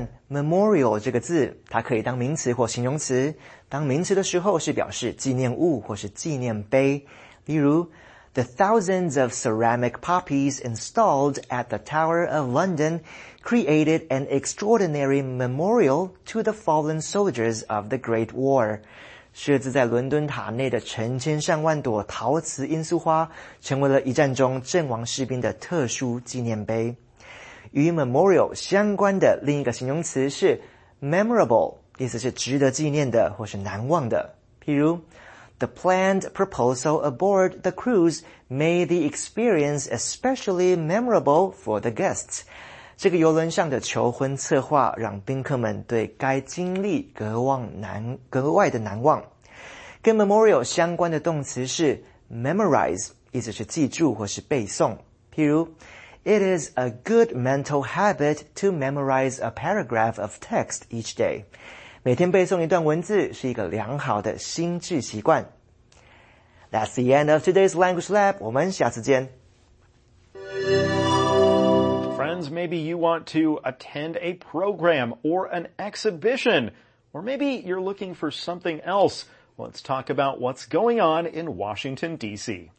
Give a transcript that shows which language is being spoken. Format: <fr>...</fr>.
<zh>Memorial 这个字，它可以当名词或形容词。当名词的时候是表示纪念物或是纪念碑。</zh> <en>例如 ,The thousands of ceramic poppies installed at the Tower of London created an extraordinary memorial to the fallen soldiers of the Great War.</en> <zh>设置在伦敦塔内的成千上万朵陶瓷罂粟花成为了一战中阵亡士兵的特殊纪念碑。与 memorial 相关的另一个形容词是 memorable, 意思是值得纪念的或是难忘的。</zh> <en>譬如 ,The planned proposal aboard the cruise made the experience especially memorable for the guests.</en> <zh>这个游轮上的求婚策划让宾客们对该经历格外的难忘。跟 memorial 相关的动词是 memorize, 意思是记住或是背诵。</zh> <en>譬如It is a good mental habit to memorize a paragraph of text each day.</en> <zh>每天背诵一段文字是一个良好的心智习惯。</zh> <en>That's the end of today's Language Lab.</en> <zh>我们下次见。</zh> <en>Friends, maybe you want to attend a program or an exhibition, or maybe you're looking for something else. Let's talk about what's going on in Washington, D.C.</en>